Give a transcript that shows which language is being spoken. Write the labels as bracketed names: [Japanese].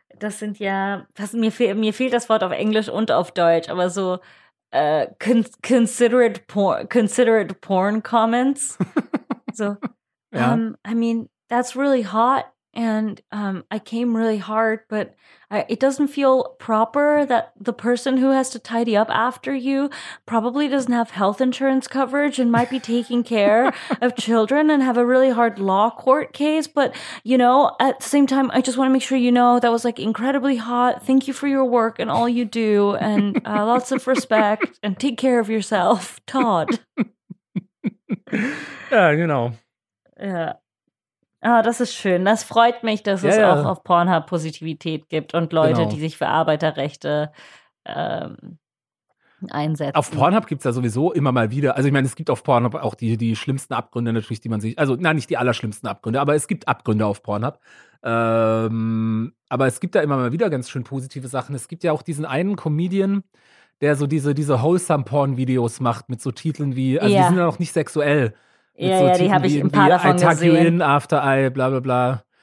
[German] Das sind ja, mir fehlt das Wort auf Englisch und auf Deutsch, aber so [English] considerate porn comments. [German] So, ja. [English] I mean, that's really hot and I came really hard, but it doesn't feel proper that the person who has to tidy up after you probably doesn't have health insurance coverage and might be taking care of children and have a really hard law court case. But, you know, at the same time, I just want to make sure you know that was, like, incredibly hot. Thank you for your work and all you do and lots of respect and take care of yourself, Todd. Yeah, you know. [German] Yeah. Ah, das ist schön. Das freut mich, dass es auch auf Pornhub Positivität gibt und Leute, die sich für Arbeiterrechte einsetzen. Auf Pornhub gibt es ja sowieso immer mal wieder, also ich meine, es gibt auf Pornhub auch die schlimmsten Abgründe natürlich, die man sich, also nein, nicht die allerschlimmsten Abgründe, aber es gibt Abgründe auf Pornhub. Aber es gibt da immer mal wieder ganz schön positive Sachen. Es gibt ja auch diesen einen Comedian, der so diese Wholesome-Porn-Videos macht mit so Titeln wie, also die sind ja noch nicht sexuell. Die habe ich ein paar davon gesehen. [English] I tuck you in after I, bla bla bla.